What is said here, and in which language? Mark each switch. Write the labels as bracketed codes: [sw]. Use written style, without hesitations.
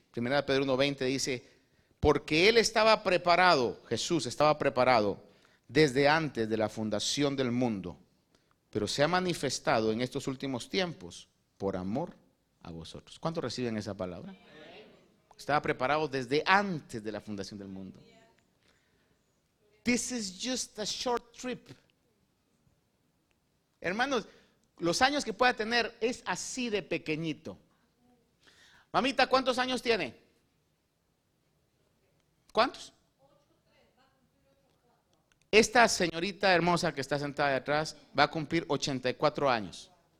[es] Primera de Pedro 1:20 dice, porque él estaba preparado, Jesús estaba preparado desde antes de la fundación del mundo, pero se ha manifestado en estos últimos tiempos por amor a vosotros. ¿Cuántos reciben esa palabra? Estaba preparado desde antes de la fundación del mundo. [en] This is just a short trip. [es] Hermanos, los años que pueda tener es así de pequeñito. Mamita, ¿cuántos años tiene? ¿Cuántos? Esta señorita hermosa que está sentada de atrás va a cumplir 84 años.